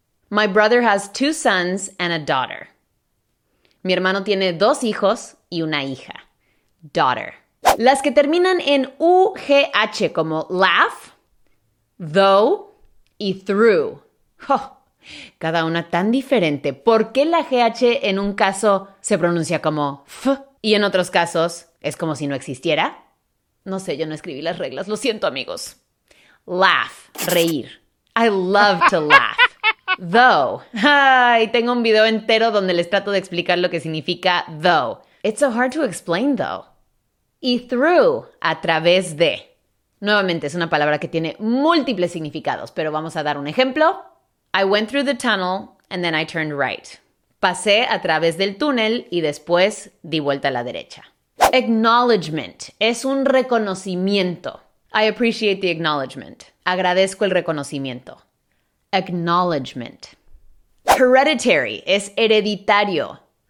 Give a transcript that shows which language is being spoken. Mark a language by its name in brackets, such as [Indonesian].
[English] My brother has two sons and a daughter. [Spanish] Mi hermano tiene dos hijos y una hija. Daughter. Las que terminan en UGH como laugh, though y through. Oh, cada una tan diferente. ¿Por qué la GH en un caso se pronuncia como F y en otros casos es como si no existiera? No sé, yo no escribí las reglas. Lo siento, amigos. Laugh, reír. [English] I love to laugh. [Spanish] though. Ay, tengo un video entero donde les trato de explicar lo que significa though. [English] It's so hard to explain though. [Spanish] Y through, a través de. Nuevamente, es una palabra que tiene múltiples significados, pero vamos a dar un ejemplo. [English] I went through the tunnel and then I turned right. [Spanish] Pasé a través del túnel y después di vuelta a la derecha. Acknowledgement es un reconocimiento. [English] I appreciate the acknowledgement. [Spanish] Agradezco el reconocimiento. Acknowledgement. Hereditary es hereditario.